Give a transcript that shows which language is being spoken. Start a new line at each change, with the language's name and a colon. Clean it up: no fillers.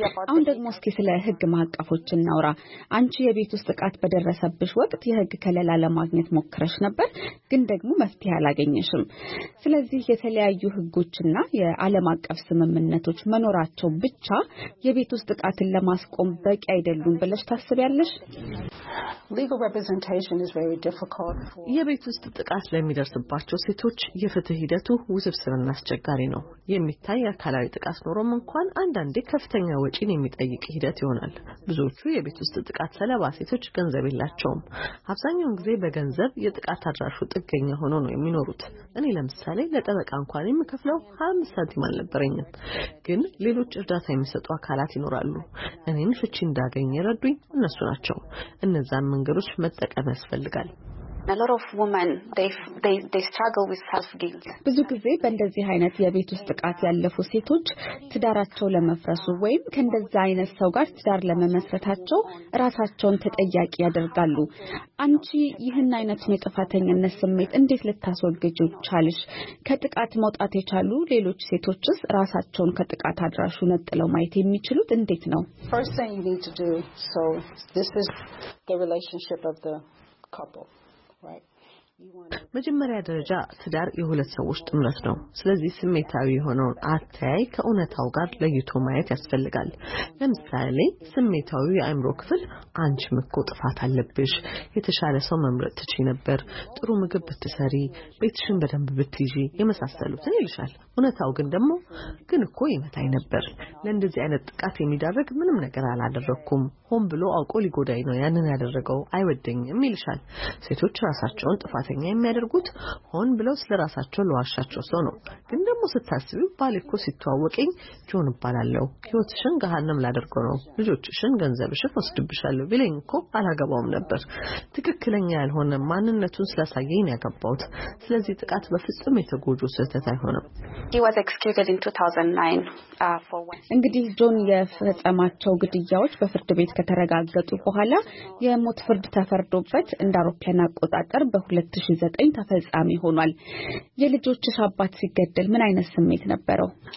Amharic: አሁን ደግሞ እስኪ ስለ ህግ ማቀፎችን እናውራ። አንቺ የቤት ውስጥ ጥቃት በደረሰብሽ ወቅት የህግ ከለላ ለማግኘት ሞክረሽ ነበር ግን ደግሞ መፍትሄ አላገኘሽም። ስለዚህ የተለያዩ ህጎችና የዓለም አቀፍ ስምምነቶች መኖራቸው ብቻ የቤት ውስጥ ጥቃትን ለማስቆም በቂ አይደሉም ብለሽ ታስቢያለሽ?
English: Legal representation is very difficult for
Amharic: የቤት ውስጥ ጥቃት ለሚደርስባቸው ሴቶች የፍትህ ሂደቱ ውስብስብና አስቸጋሪ ነው። የሚታይ አካላዊ ጥቃት ኖሮም እንኳን አንዳንዴ ከፍተኛ ወጪን የሚጠይቅ ሂደት ይሆናል። ብዙዎቹ የቤት ውስጥ ጥቃት ሰለባ ሴቶች ገንዘብ የላቸውም። አብዛኛውን ጊዜ በገንዘብ የጥቃት አድራሹ ጥገኛ ሆኖ ነው የሚኖሩት። እኔ ለምሳሌ ለጠበቃ እንኳን የምከፍለው 25 ሳንቲም አልነበረኝም። ግን ሌሎች እርዳታ የሚሰጡ አካላት ይኖራሉ። እኔን ፍቺ እንዳገኝ ይረዱኝ እነሱ ናቸው። እነዛን መንገዶች መጠቀም ያስፈልጋል።
English: A lot of women they struggle with self guilt.
Amharic: ብዙ ጊዜ በእንደዚህ አይነት የቤት ውስጥ ጥቃት ያለፉ ሴቶች ትዳራቸው ለመፍረሱ ወይም ከእንደዛ አይነት ሰው ጋር ትዳር ለመመስረታቸው ራሳቸውን ተጠያቂ ያደርጋሉ። አንቺ ይህን አይነት የጥፋተኝነት ስሜት እንዴት ልታስወግጂ ቻልሽ? ከጥቃት መውጣት የቻሉ ሌሎች ሴቶችስ ራሳቸውን ከጥቃት አድራሹ ነጥለው ማየት የሚችሉት እንዴት ነው?
English: First thing you need to do, so this is the relationship of the couple. Right.
Amharic: መጀመሪያ ደረጃ ትዳር የሁለት ሰዎች ጥምረት ነው። ስለዚህ ስሜታዊ ሆነው አታይ ከእውነታው ጋር ለይቶ ማየት ያስፈልጋል። ለምሳሌ ስሜታዊ አይምሮ ክፍል አንቺ መቆ ጥፋት አለብሽ፣ የተሻለ ሰው መምረጥ ትችይ ነበር፣ ጥሩ ምግብ ብትሰሪ፣ ቤትሽን በደንብ ብትይዢ የመሳሰሉትን ይልሻል። እውነታው ግን ደግሞ ግን እኮ ይመታኝ ነበር፣ ለእንደዚህ አይነት ጥቃት የሚዳርግ ምንም ነገር አላደረኩም፣ ሆን ብሎ አውቆ ሊጎዳኝ ነው ያንን ያደረገው፣ አይወደኝም ይልሻል። ሴቶች ራሳቸውን ጥፋተኛ የሚያደርጉት ሆን ብለው ስለራሳቸው ለዋሻቸው ሰው ነው። ግን ደግሞ ስታስቢው ባል እኮ ሲተዋወቀኝ ጆን እባላለሁ፣ ህይወትሽን ገሃነም ላደርገው ነው፣ ልጆችሽን ገንዘብሽን ወስድብሻለሁ ቢለኝ እኮ አላገባውም ነበር። ትክክለኛ ያልሆነ ማንነቱን ስላሳየኝ ነው ያገባሁት። ስለዚህ ጥቃት በፍጹም የተጎጂ ስህተት አይሆንም።
English: He was executed in 2009 for one.
Amharic: እንግዲህ ጆን የፈጸማቸው ግድያዎች በፍርድ ቤት ከተረጋገጡ በኋላ የሞት ፍርድ ተፈርዶበት እንደ አውሮፓውያን አቆጣጠር በ2009 ተፈጻሚ ሆኗል። የልጆችሽ አባት ሲገደል ምን አይነት ስሜት ነበረው?